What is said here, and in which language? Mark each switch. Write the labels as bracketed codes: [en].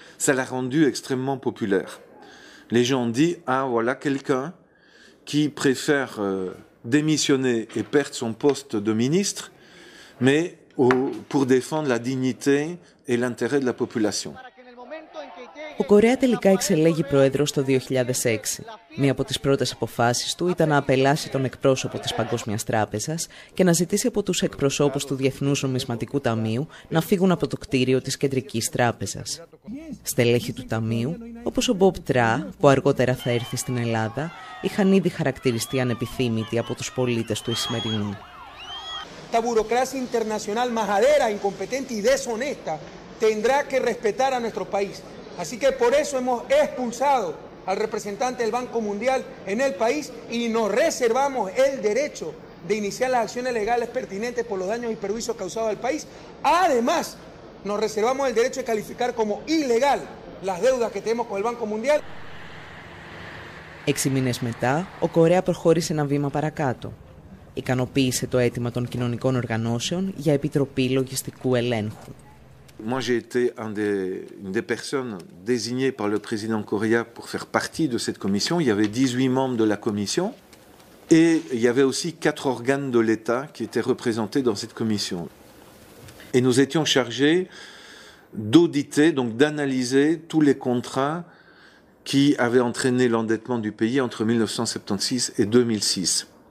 [fr] Ça l'a rendu extrêmement populaire. Les gens ont dit, ah voilà quelqu'un qui préfère démissionner et perdre son poste de ministre, mais pour défendre la dignité et l'intérêt de la population. [el] Ο Κορέα τελικά εξελέγει πρόεδρος το 2006. Μία από τις πρώτες αποφάσεις του ήταν να απελάσει τον εκπρόσωπο της Παγκόσμιας Τράπεζας και να ζητήσει από τους εκπροσώπους του Διεθνούς Νομισματικού Ταμείου να φύγουν από το κτίριο της Κεντρικής Τράπεζας. Στελέχη του Ταμείου, όπως ο Μπομπ Τρά, που αργότερα θα έρθει στην Ελλάδα, είχαν ήδη χαρακτηριστεί ανεπιθύμητοι από τους πολίτες του Ισημερινού. [es] Τα βουροκράσια internacional majadera, incompetente y deshonesta tendrá que respetar a nuestro país. Así que por eso hemos expulsado al representante del Banco Mundial en el país y nos reservamos el derecho de iniciar las acciones legales pertinentes por los daños y perjuicios causados al país. Además, nos reservamos el derecho de calificar como ilegal las deudas que tenemos con el Banco Mundial. [el] 6 meses μετά, ο Κορέα προχώρησε ένα βήμα παρακάτω. Ικανοποίησε το αίτημα των κοινωνικών οργανώσεων για επιτροπή λογιστικού ελέγχου. [fr] Moi, j'ai été une des personnes désignées par le président Correa pour faire partie de cette commission. Il y avait 18 membres de la commission et il y avait aussi 4 organes de l'État qui étaient représentés dans cette commission. Et nous étions chargés d'auditer, donc d'analyser tous les contrats qui avaient entraîné l'endettement du pays entre 1976 et 2006.